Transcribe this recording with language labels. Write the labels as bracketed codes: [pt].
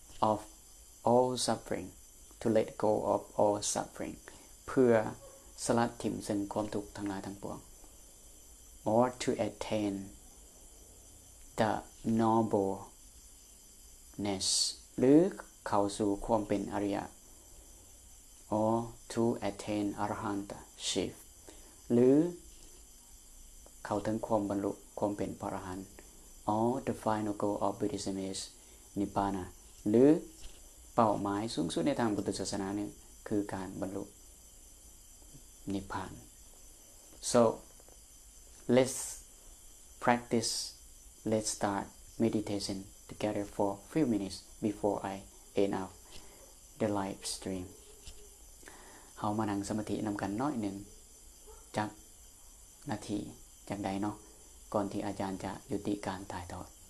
[en] of all suffering to let go of all suffering [th] เพื่อสลัดทิ้งซึ่งความทุกข์ทั้งหลายทั้งปวง [en] or to attain the nobleness [th] หรือเข้าสู่ความเป็นอริยะ [en] or to attain arahantship [th] หรือ เข้าถึงความบรรลุความเป็นพระอรหันต์ [en] or the final goal of Buddhism is nibbana [th] หรือเป้าหมายสูงสุดในทางพุทธศาสนานี่คือการบรรลุNibbana. [en] So, let's practice, let's start meditation together for a few minutes before I end up the live stream. [th] เฮามานั่งสมาธินำกันน้อยหนึ่งจากนาทีจากใดเนาะก่อนที่อาจารย์จะยุติการถ่ายทอด